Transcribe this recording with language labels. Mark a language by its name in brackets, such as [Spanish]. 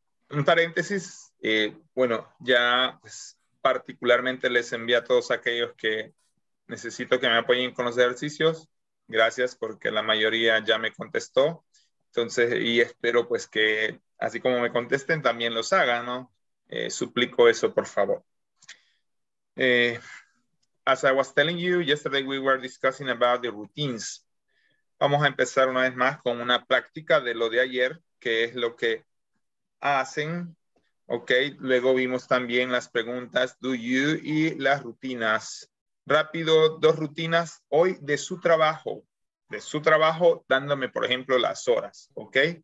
[Spanish] Un paréntesis, bueno, ya pues, particularmente les envío a todos aquellos que necesito que me apoyen con los ejercicios. Gracias, porque la mayoría ya me contestó. Entonces, y espero pues que así como me contesten, también los hagan, ¿no? Suplico eso, por favor. [English] As I was telling you, yesterday we were discussing about the routines. [Spanish] Vamos a empezar una vez más con una práctica de lo de ayer, que es lo que hacen, ok. Luego vimos también las preguntas [English] do you [Spanish] y las rutinas. Rápido, dos rutinas hoy de su trabajo, dándome, por ejemplo, las horas, ok.